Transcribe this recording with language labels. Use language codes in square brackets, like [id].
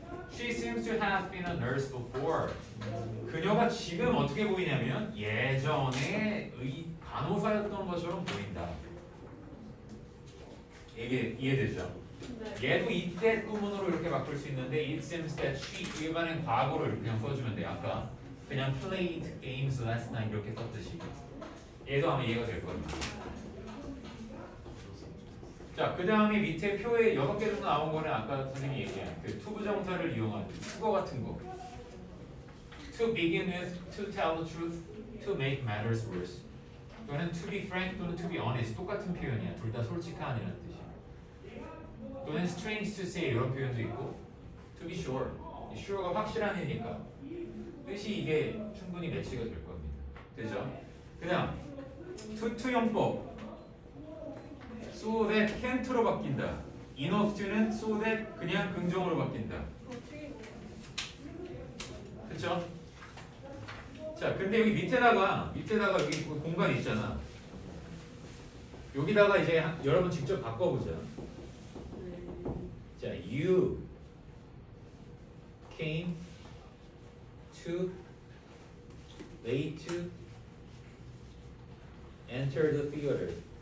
[en] She seems to have been a nurse before. [ko] 그녀가 지금 어떻게 보이냐면 예전에 간호사였던 것처럼 보인다. 이게 이해되죠? 네. 얘도 이때 구문으로 이렇게 바꿀 수 있는데 [en] It seems that she [ko] 일반은 과거를 그냥 써주면 돼. 아까 그냥 [en] played games last night [ko] 이렇게 썼듯이 얘도 아마 이해가 될 겁니다. 자, 그 다음에 밑에 표에 여섯 개 정도 나온 거는 아까 선생님이 얘기한 그 to 부정사를 이용한 투거 같은 거. [en] To begin with, to tell the truth, to make matters worse. 또는 to be frank 또는 to be honest. [ko] 똑같은 표현이야. 둘 다 솔직한이라는 뜻이야. 또는 [en] strange to say [ko] 이런 표현도 있고 [en] to be sure. [ko] sure가 확실한 애니까 뜻이 이게 충분히 매치가 될 겁니다. 되죠? 그 다음, to 용법. So that can't로 바뀐다. Enough to는 so that 그냥 긍정으로 바뀐다. 그쵸? 자, 근데 여기 밑에다가 여기 공간이 있잖아. 여기다가 이제 여러분 직접 바꿔보자. [en] 자, you came too late to enter the theater.